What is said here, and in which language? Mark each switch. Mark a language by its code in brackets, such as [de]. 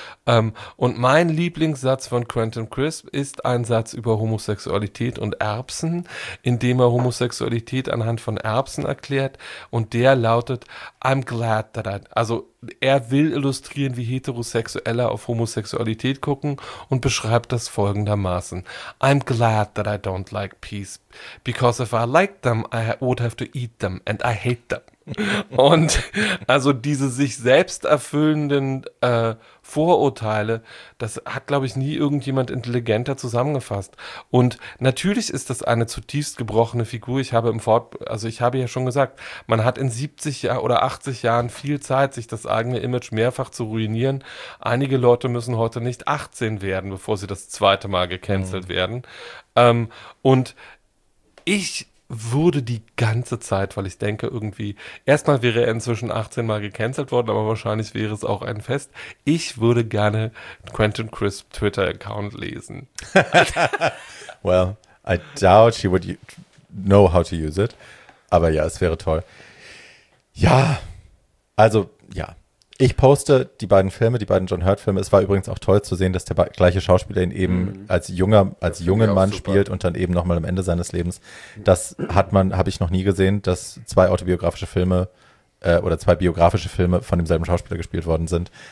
[de] Und mein Lieblingssatz von Quentin Crisp ist ein Satz über Homosexualität und Erbsen, in dem er Homosexualität anhand von Erbsen erklärt. Und der lautet, [en] I'm glad that I. [de] Also er will illustrieren, wie Heterosexuelle auf Homosexualität gucken und beschreibt das folgendermaßen. [en] I'm glad that I don't like peas, because if I liked them, I would have to eat them and I hate them. [de] Und also diese sich selbst erfüllenden Vorurteile, das hat, glaube ich, nie irgendjemand intelligenter zusammengefasst. Und natürlich ist das eine zutiefst gebrochene Figur. Ich habe ja schon gesagt, man hat in 70 oder 80 Jahren viel Zeit, sich das eigene Image mehrfach zu ruinieren. Einige Leute müssen heute nicht 18 werden, bevor sie das zweite Mal gecancelt werden. Und ich würde die ganze Zeit, weil ich denke irgendwie, erstmal wäre er inzwischen 18 Mal gecancelt worden, aber wahrscheinlich wäre es auch ein Fest. Ich würde gerne Quentin Crisp Twitter-Account lesen. [en] Well, I doubt he would know how to use it. [de] Aber ja, es wäre toll. Ja, also ja. Ich poste die beiden Filme, die beiden John Hurt-Filme. Es war übrigens auch toll zu sehen, dass der gleiche Schauspieler ihn eben als jungen Mann spielt und dann eben nochmal am Ende seines Lebens. Das habe ich noch nie gesehen, dass zwei autobiografische Filme oder zwei biografische Filme von demselben Schauspieler gespielt worden sind.